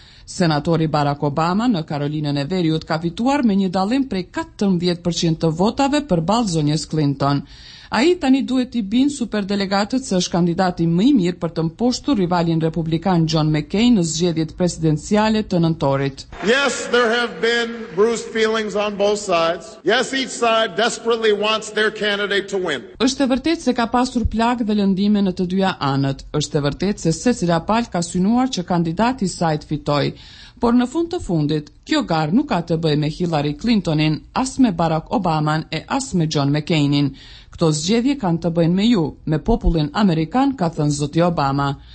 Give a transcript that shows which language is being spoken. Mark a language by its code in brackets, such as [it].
[sq] Senatori Barack Obama në Karolinën e Veriut ka fituar me një dallim prej 14% të votave përballë zonjes Clinton. A i tani duhet i bin superdelegatët se është kandidati më i mirë për të mposhtur rivalin republikan John McCain në zgjedhjet presidenciale të nëntorit. [en] Yes, there have been bruised feelings on both sides. Yes, each side desperately wants their candidate to win. [sq] Është e vërtet se ka pasur plagë dhe lëndime në të dyja anët. Është e vërtet se secila palë ka synuar që kandidati i saj të fitojë. Por në fund të fundit, kjo garë nuk ka të bëjë me Hillary Clintonin, as me Barack Obaman e as me John McCainin. Këto zgjedhje kanë të bëjnë me ju, me popullin Amerikan, ka thënë zoti Obama.